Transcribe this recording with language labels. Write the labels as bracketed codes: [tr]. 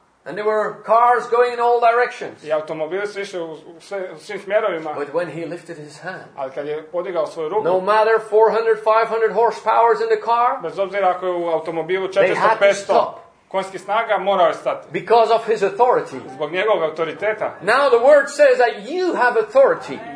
[en] And there were cars going in all directions. [hr] I automobili su išli u svim smjerovima. [en] But when he lifted his hand, [hr] ali kad je podigao svoju ruku, [en] no matter 400, 500 horsepower in the car, [hr] bez obzira ako je u automobilu 400, 500 konjski snaga, morao je stati. [en] Because of his authority. [hr] Zbog njegovog autoriteta. [en] Now the word says that you have authority.